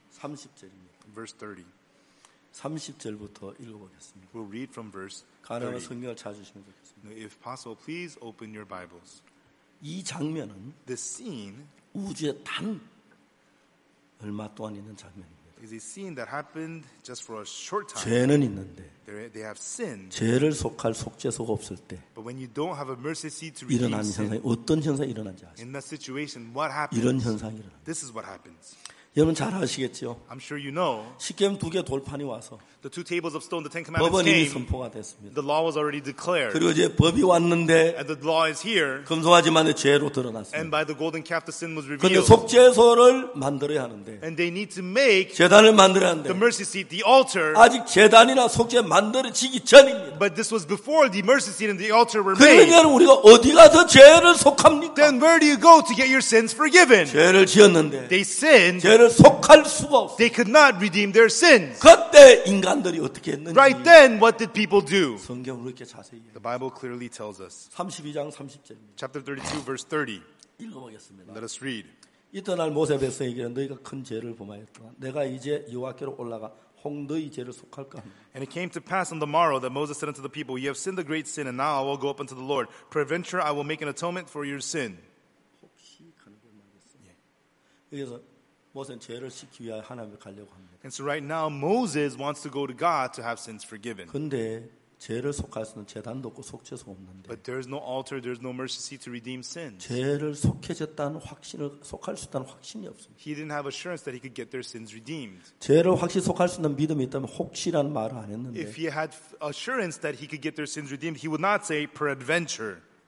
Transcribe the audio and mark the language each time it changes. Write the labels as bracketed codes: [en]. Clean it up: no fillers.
[ko] 30절입니다. [en] Verse 30. [ko] 30절부터 읽어보겠습니다. [en] We'll read from verse 30. [ko] 가능한 성경을 찾으시면 좋겠습니다. [en] If possible, please open your Bibles. [ko] 이 장면은 [en] The scene [ko] 우주에 단 얼마 동안 있는 장면입니다. [en] Is a scene that happened just for a short time. [ko] 죄는 있는데 [en] They have sinned. [ko] 죄를 속할 속죄소가 없을 때 [en] But when you don't have a mercy seat to [ko] 일어난 [en] sin, [ko] 현상이 어떤 현상이 일어난지 아세요? [en] In that situation, what happens? [ko] 이런 현상이 일어난다. [en] This is what happens. [ko] 여러분 잘 아시겠죠? [en] I'm sure you know. [ko] 십계명 두 개 돌판이 와서 [en] The two tables of stone, the Ten Commandments came. [ko] 법은 이미 선포가 됐습니다. [en] The law was already declared. [ko] 그리고 이제 법이 왔는데 [en] And the law is here. [ko] 금송아지만의 죄로 드러났습니다. [en] And by the golden calf, the sin was revealed. [ko] 근데 속죄소를 만들어야 하는데 [en] And they need to make [ko] 제단을 만들어야 하는데 [en] The mercy seat, the altar. [ko] 아직 제단이나 속죄 만들어지기 전입니다. [en] But this was before the mercy seat and the altar were [ko] 그러면 [en] made. [ko] 그러면 우리가 어디 가서 죄를 속합니까? [en] Then where do you go to get your sins forgiven? [ko] 죄를 지었는데 [en] They sinned. [ko] 죄를 속할 수가 없어. [en] They could not redeem their sins. [ko] 그때 인간들이 어떻게 했는지 [en] Right then, what did people do? [ko] 성경으로 이렇게 자세히 [en] The Bible clearly tells us. [ko] 32장 30절입니다. [en] Chapter 32, verse 30. [ko] 읽어보겠습니다. [en] Let us read. [ko] 이튿날 모세 백성에게 너희가 큰 죄를 범하였다. 내가 이제 여호와께로 올라가 홍너의 죄를 속할까? [en] And it came to pass on the morrow that Moses said unto the people, You have sinned a great sin, and now I will go up unto the Lord. Peradventure, I will make an atonement for your sin. [ko] 혹시 가능한 말이었어요. 그래서 모세는 죄를 씻기 위해 하나님을 가려고 합니다. [en] And so right now Moses wants to go to God to have sins forgiven. [ko] 근데 죄를 속할 수는 재단도 없고 속죄소 없는데. [en] But there is no altar, there is no mercy seat to redeem sins. [ko] 죄를 속해졌다는 확신을 속할 수 있다는 확신이 없습니다. [en] He didn't have assurance that he could get their sins redeemed. [ko] 죄를 확실히 속할 수 있는 믿음이 있다면 혹시라는 말을 안 했는데. [en] If he had assurance that he could get their sins redeemed, he would not say peradventure.